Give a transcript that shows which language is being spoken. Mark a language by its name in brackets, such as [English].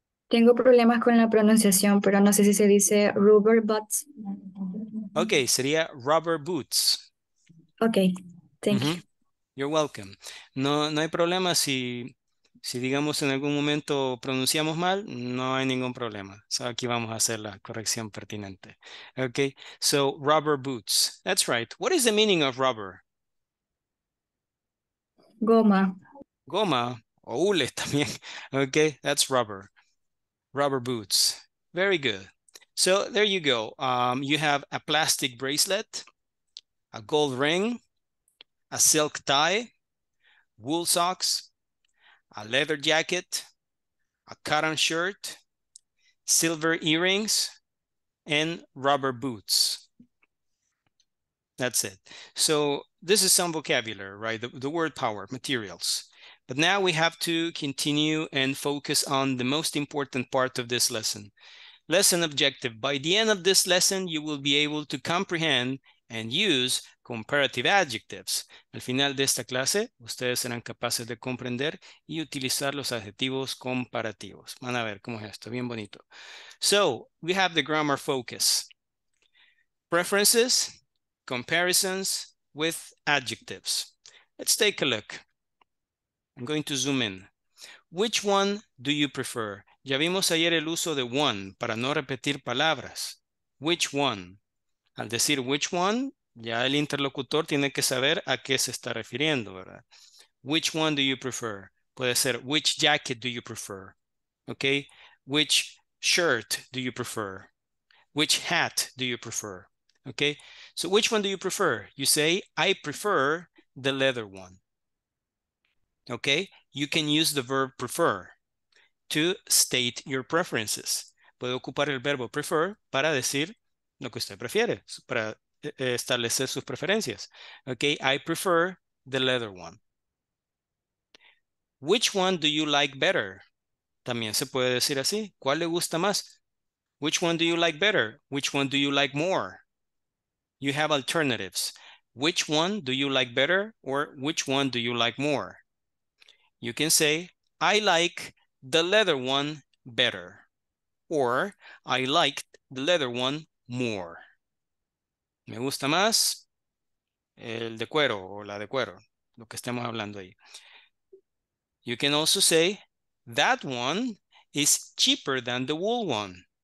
[Spanish] Tengo problemas con la pronunciación, pero no sé si se dice rubber boots. Okay, sería rubber boots. [English] Okay, thank you. You're welcome. [Spanish] No hay problema si... Si digamos en algún momento pronunciamos mal, no hay ningún problema. So aquí vamos a hacer la corrección pertinente. [English] Okay, so rubber boots. That's right. What is the meaning of rubber? [Spanish] Goma. Goma o hule también. [English] Okay, that's rubber. Rubber boots. Very good. So there you go. You have a plastic bracelet, a gold ring, a silk tie, wool socks, a leather jacket, a cotton shirt, silver earrings, and rubber boots. That's it. So this is some vocabulary, right? The word power, materials. But now we have to continue and focus on the most important part of this lesson. Lesson objective. By the end of this lesson, you will be able to comprehend and use comparative adjectives. [Spanish] Al final de esta clase, ustedes serán capaces de comprender y utilizar los adjetivos comparativos. Van a ver cómo es esto, bien bonito. [English] So, we have the grammar focus. Preferences, comparisons with adjectives. Let's take a look. I'm going to zoom in. Which one do you prefer? [Spanish] Ya vimos ayer el uso de one para no repetir palabras. [English] Which one? [Spanish] Al decir which one, ya el interlocutor tiene que saber a qué se está refiriendo, ¿verdad? [English] Which one do you prefer? [Spanish] Puede ser [English] which jacket do you prefer? Okay. Which shirt do you prefer? Which hat do you prefer? Okay. So which one do you prefer? You say, I prefer the leather one. Okay. You can use the verb prefer to state your preferences. [Spanish] Puede ocupar el verbo prefer para decir lo que usted prefiere, para establecer sus preferencias. [English] Okay, I prefer the leather one. Which one do you like better? [Spanish] También se puede decir así. ¿Cuál le gusta más? [English] Which one do you like better? Which one do you like more? You have alternatives. Which one do you like better? Or which one do you like more? You can say, I like the leather one better. Or, I liked the leather one more. [Spanish] Me gusta más el de cuero o la de cuero, lo que estemos hablando ahí. [English] You can also say, that one is cheaper than the wool one.